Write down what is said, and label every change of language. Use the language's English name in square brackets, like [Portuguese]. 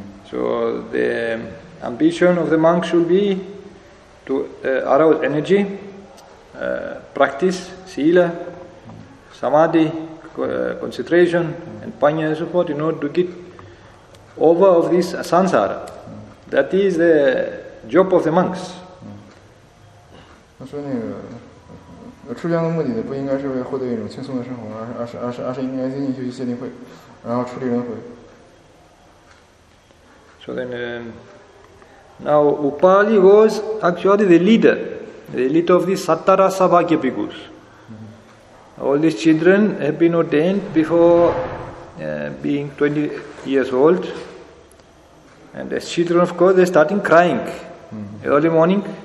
[English] So the ambition of the monk should be to arouse energy, practice, sila, samadhi, concentration, and panya and so forth, in order to get over of this sansara. That is the job of the monks. [Chinese] 他说那个出家的目的不应该是为获得一种轻松的生活，而是应该进行修习戒定慧，然后处理轮回。So [English] then, now Upali was actually the leader of the Sattara Sabhagya Bhikkhus. All these children have been ordained before being 20 years old, and as children, of course, they're starting crying early morning.